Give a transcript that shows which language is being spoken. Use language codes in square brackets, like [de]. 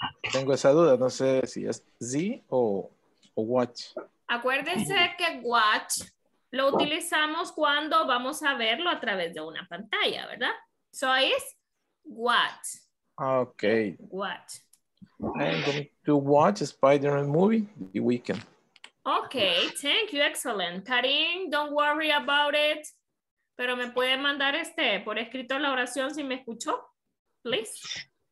[es] Tengo esa duda, no sé si es Z o watch. Acuérdense que watch lo utilizamos cuando vamos a verlo a través de una pantalla, ¿verdad? [en] So is watch. Ok. Watch. I'm going to watch a Spider-Man movie the weekend. Ok, thank you, excellent. Karim, don't worry about it. [es] Pero me puede mandar por escrito la oración si me escuchó, please.